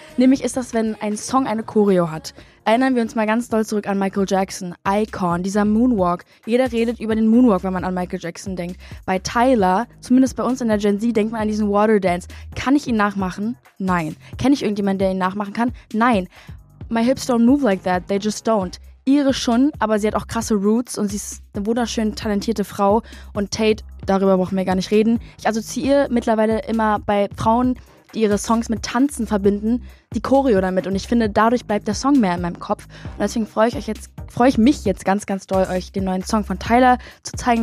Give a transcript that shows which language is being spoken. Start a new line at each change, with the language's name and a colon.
German: Nämlich ist das, wenn ein Song eine Choreo hat. Erinnern wir uns mal ganz doll zurück an Michael Jackson, Icon, dieser Moonwalk. Jeder redet über den Moonwalk, wenn man an Michael Jackson denkt. Bei Tyler, zumindest bei uns in der Gen Z, denkt man an diesen Water Dance. Kann ich ihn nachmachen? Nein. Kenne ich irgendjemanden, der ihn nachmachen kann? Nein.
English: My hips don't move like that, they just don't.
German: Ihre schon, aber sie hat auch krasse Roots und sie ist eine wunderschön talentierte Frau. Und Tate, darüber brauchen wir gar nicht reden. Ich assoziiere mittlerweile immer bei Frauen, die ihre Songs mit Tanzen verbinden, die Choreo damit. Und ich finde, dadurch bleibt der Song mehr in meinem Kopf. Und deswegen freue ich mich jetzt ganz, ganz doll, euch den neuen Song von Tyler zu zeigen.